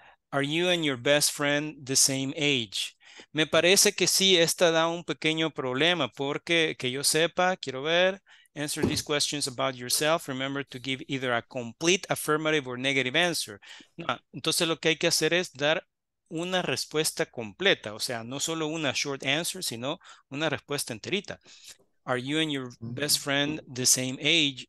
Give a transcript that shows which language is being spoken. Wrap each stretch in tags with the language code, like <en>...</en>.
<en>Are you and your best friend the same age?</en> <es>Me parece que sí, esta da un pequeño problema, porque que yo sepa, quiero ver.</es> <en>Answer these questions about yourself. Remember to give either a complete affirmative or negative answer. No.</en> <es>Entonces lo que hay que hacer es dar una respuesta completa. O sea, no solo una short answer, sino una respuesta enterita.</es> <en>Are you and your best friend the same age?</en>